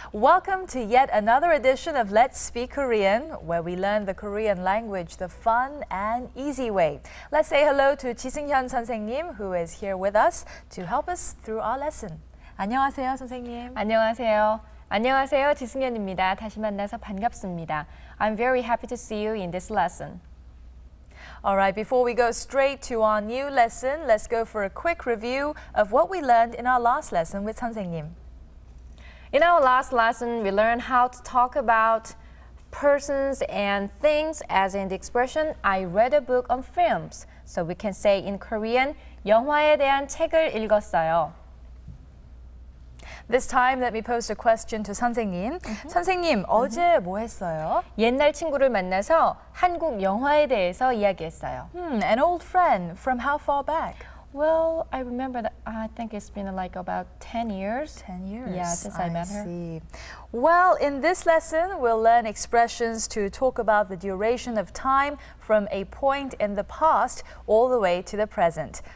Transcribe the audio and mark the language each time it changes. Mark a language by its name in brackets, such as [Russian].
[English] Welcome to yet another edition of Let's Speak Korean, where we learn the Korean language the fun and easy way. Let's say hello to 지승현 선생님, who is here with us to help us through our lesson. [Korean] 안녕하세요, 선생님. 안녕하세요. 안녕하세요, 지승현입니다. 다시 만나서 반갑습니다. [English] I'm very happy to see you in this lesson. All right, before we go straight to our new lesson, let's go for a quick review of what we learned in our last lesson with 선생님. In our last lesson, we learned how to talk about persons and things as in the expression, I read a book on films. So we can say in Korean, [Korean] 영화에 대한 책을 읽었어요. [English] This time, let me pose a question to 선생님. [Korean] Mm-hmm. 선생님, mm-hmm. 어제 뭐 했어요? 옛날 친구를 만나서 한국 영화에 대해서 이야기했어요. [English] An old friend. From how far back? Well, I remember that I think it's been like about 10 years. 10 years. Yeah, since I met her. I see. Well, in this lesson, we'll learn expressions to talk about the duration of time from a point in the past all the way to the present.